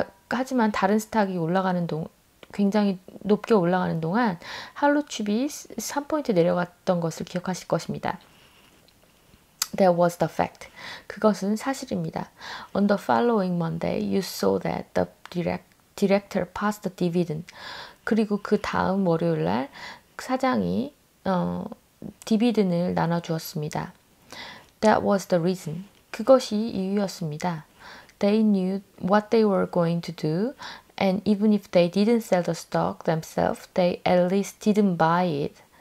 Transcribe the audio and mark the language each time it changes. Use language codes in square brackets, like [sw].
[ko] 하지만 다른 스탁이 굉장히 높게 올라가는 동안 할로춥이 3포인트 내려갔던 것을 기억하실 것입니다. [en] That was the fact. [ko] 그것은 사실입니다. [en] On the following Monday, you saw that the director passed the dividend. [ko] 그리고 그 다음 월요일 날 사장이 디비든을 나눠주었습니다. [en] That was the reason. [ko] 그것이 이유였습니다. [en] They knew what they were going to do, and even if they didn't sell the stock themselves, they at least didn't buy it.